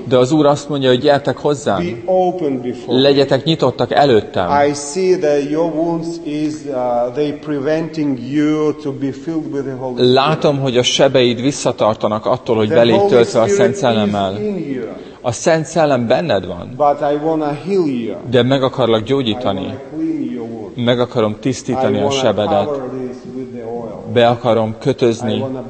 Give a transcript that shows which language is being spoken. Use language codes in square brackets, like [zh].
[hu] De az Úr azt mondja, hogy gyertek hozzám. [en] Be open before me. [hu] Legyetek nyitottak előttem. [en] I see that your wounds is they preventing you to be filled with the Holy Spirit. [hu] Látom, hogy a sebeid visszatartanak attól, hogy belégy töltve a Szent Szellemmel. A Szent Szellem benned van. [en] But I wanna heal you. [hu] De meg akarlak gyógyítani. Meg akarom tisztítani I a sebedet. Be akarom kötözni.